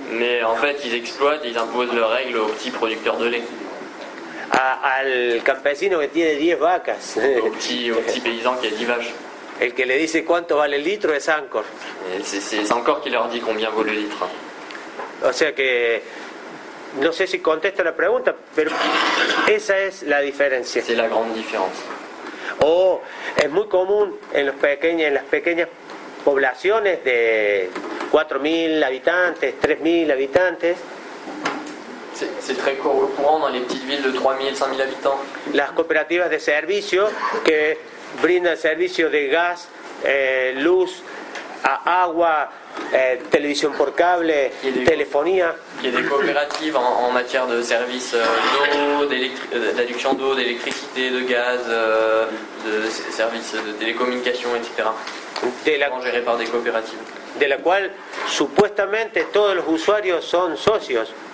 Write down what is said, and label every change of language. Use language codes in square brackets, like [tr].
[fr] Mais en fait, ils exploitent, ils imposent leurs règles aux petits producteurs de lait. [es] Al campesino que tiene 10 vacas. [fr] Au petit paysan qui a 10 vaches. [es] El que le dice cuánto vale el litro es Sancor. [fr] C'est Sancor qui leur dit combien vaut le litre. [es] O sea que no sé si contesta la pregunta, pero esa es la diferencia. [fr] C'est la grande différence. [es] Es muy común en las pequeñas poblaciones de 4000 habitantes, 3000 habitantes. [fr] C'est très courant dans les petites villes de 3000, 5000 habitants. [es] Las cooperativas de servicio que brindan servicio de gas, luz, agua, televisión por cable, telefonía. [fr] Y des coopératives en matière de services d'eau, d'adduction d'eau, d'électricité, de gas, de services de télécommunication, etc. Gérées par des coopératives. [es] De la cual supuestamente todos los usuarios son socios.